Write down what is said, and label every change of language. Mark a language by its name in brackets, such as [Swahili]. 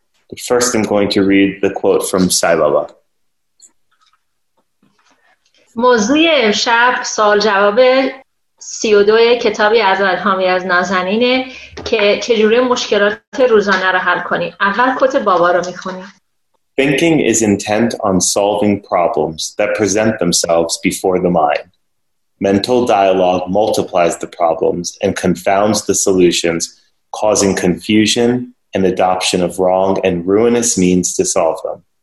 [English] But first, I'm going to read the quote from Sai Baba. [Persian] موضوع امشب سوال جواب 32 کتابی از الهام یزدانی که چجوری مشکلات روزانه رو حل کنی. اول کوت بابا رو میخونی. [English] Thinking is intent on solving problems that present themselves before the mind. Mental dialogue multiplies the problems and confounds the solutions, causing confusion and adoption of wrong and ruinous means to solve them.